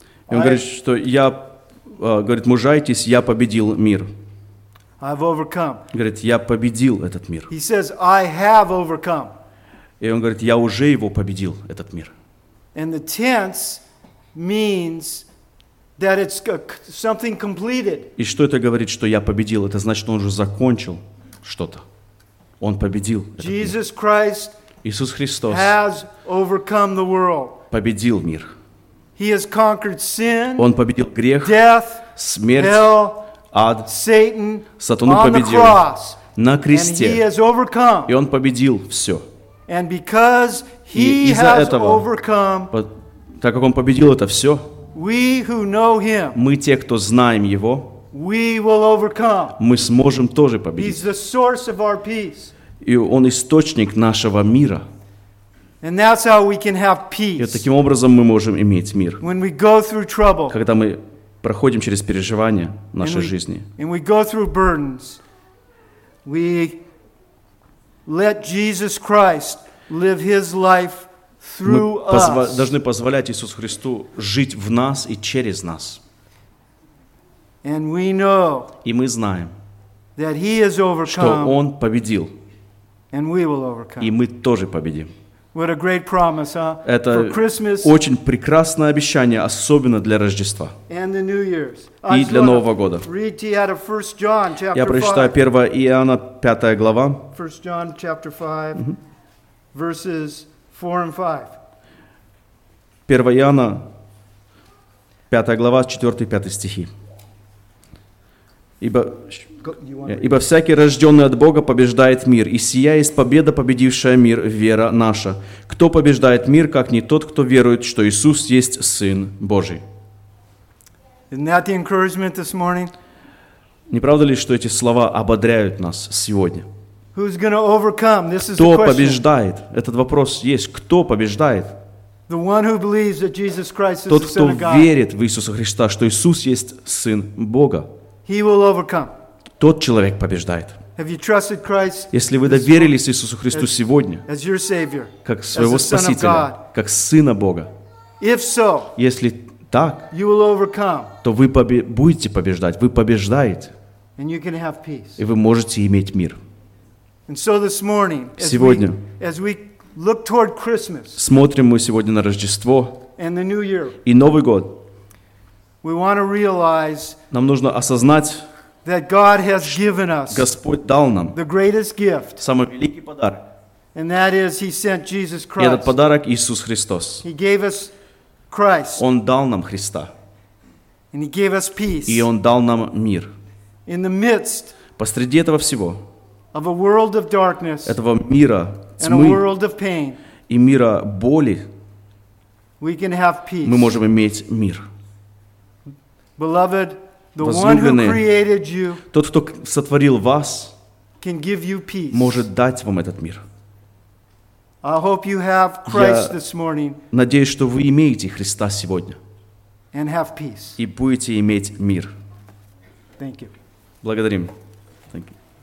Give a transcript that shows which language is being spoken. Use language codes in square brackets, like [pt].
[ru] И он говорит, что я, говорит, мужайтесь, я победил мир. [en] I've overcome. [ru] Говорит, я победил этот мир. [en] He says, I have overcome. [ru] И он говорит, я уже его победил, этот мир. [en] And the tense means That it's something completed. [ru] И что это говорит, что я победил? Это значит, что он уже закончил что-то. Он победил. [en] Jesus Christ [ru] Иисус Христос [en] has overcome the world. [ru] Победил мир. [en] He has conquered sin, [ru] он победил грех, [en] death, [ru] смерть, [en] hell, [ru] ад, [en] Satan, [ru] сатану [en] on [ru] победил [en] the cross. [ru] На кресте. [en] And he has overcome. [ru] И он победил все. [en] And because he [ru] и из-за [en] has [ru] этого, [en] overcome, [ru] так как он победил это все, [en] we who know him, [ru] мы те, кто знаем его, [en] we will overcome. [ru] Мы сможем тоже победить. [en] He's the source of our peace. [ru] И он источник нашего мира. [en] And that's how we can have peace. [ru] И таким образом мы можем иметь мир. [en] When we go through trouble, [ru] когда мы проходим через переживания в нашей жизни. [en] And we go through burdens, we let Jesus Christ live his life through us. [ru] Мы должны позволять Иисусу Христу жить в нас и через нас. [en] And we know, [ru] и мы знаем, [en] that he has overcome, [ru] что он победил. [en] And we will overcome. [ru] И мы тоже победим. [en] What a great promise, huh? [ru] Это [en] for Christmas, [ru] очень прекрасное обещание, особенно для Рождества [en] and the New Year's. [ru] И для Нового года. [en] Read to you out of 1 John, chapter 5. [ru] Я прочитаю 1 Иоанна, 5 глава. [en] 1 John, chapter 5, mm-hmm. verses 4 and 5. [ru] 1 Иоанна, 5 глава, 4 и 5 стихи. Ибо всякий, рожденный от Бога, побеждает мир, и сия есть победа, победившая мир, вера наша. Кто побеждает мир, как не тот, кто верует, что Иисус есть Сын Божий? [en] Isn't that the encouragement this morning? [ru] Не правда ли, что эти слова ободряют нас сегодня? [en] Who's gonna overcome? This is the question. [ru] Кто побеждает? Этот вопрос есть. Кто побеждает? [en] The one who believes that Jesus Christ is [ru] тот, кто [en] the Son of God. [ru] Верит в Иисуса Христа, что Иисус есть Сын Бога. [en] He will overcome. [ru] Тот человек побеждает. [en] Have you trusted Christ? [ru] Если вы доверились Иисусу Христу сегодня, [en] as your Savior, [ru] как своего [en] as the Son [ru] Спасителя, [en] of God, [ru] как Сына Бога, [en] if so, [ru] если так, [en] you will overcome, [ru] то вы будете побеждать, вы побеждаете, [en] and you can have peace. [ru] И вы можете иметь мир. [en] And so this morning, [ru] сегодня, [en] as we look toward Christmas, [ru] смотрим мы сегодня на Рождество [en] and the New Year, [ru] и Новый год, [en] we want to realize, [ru] нам нужно осознать, [en] that God has given us, [ru] Господь дал нам [en] the greatest gift, [ru] самый великий подарок. [en] And that is, he sent Jesus Christ. [ru] И этот подарок – Иисус Христос. [en] He gave us Christ. [ru] Он дал нам Христа. [en] And he gave us peace. [ru] И Он дал нам мир. [en] In the midst [ru] посреди этого всего, [en] of a world of darkness, [ru] этого мира тьмы [en] and a world of pain, [ru] и мира боли, [en] we can have peace. [ru] Мы можем иметь мир. [en] Beloved, the one who created you, [ru] тот, кто сотворил вас, [en] can give you peace. [ru] Может дать вам этот мир. [en] I hope you have Christ this morning. [ru] Я надеюсь, что вы имеете Христа сегодня. [en] And have peace. [ru] И будете иметь мир. [en] Thank you. [ru] Благодарим. [en] Thank you.